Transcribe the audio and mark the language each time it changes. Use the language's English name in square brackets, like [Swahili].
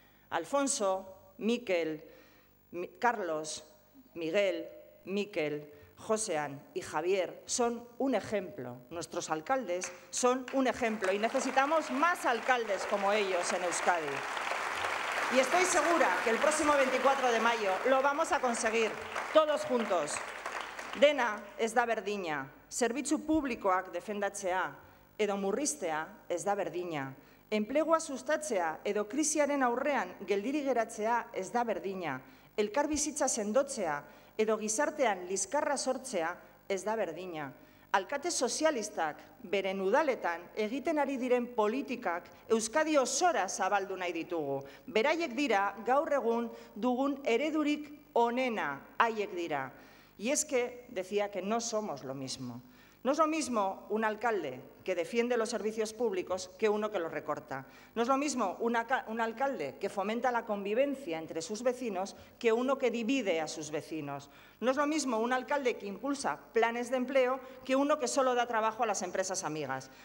[Spanish] Alfonso, Miquel, Carlos, Miguel, Miquel, Joséán y Javier son un ejemplo. Nuestros alcaldes son un ejemplo y necesitamos más alcaldes como ellos en Euskadi. Y estoy segura que el próximo 24 de mayo lo vamos a conseguir todos juntos. [Basque] Dena ez da berdina. Zerbitzu publikoak defendatzea edo murriztea ez da berdina. Enplegua sustatzea edo krisiaren aurrean geldiri geratzea ez da berdina. Elkarbizitza sendotzea edo gizartean liskarra sortzea ez da berdina. Alkate sozialistak beren udaletan egiten ari diren politikak Euskadi osora zabaldu nahi ditugu. Beraiek dira gaur egun dugun eredurik onena, haiek dira. [Spanish] Y es que decía que no somos lo mismo. No es lo mismo un alcalde que defiende los servicios públicos que uno que los recorta. No es lo mismo un alcalde que fomenta la convivencia entre sus vecinos que uno que divide a sus vecinos. No es lo mismo un alcalde que impulsa planes de empleo que uno que solo da trabajo a las empresas amigas.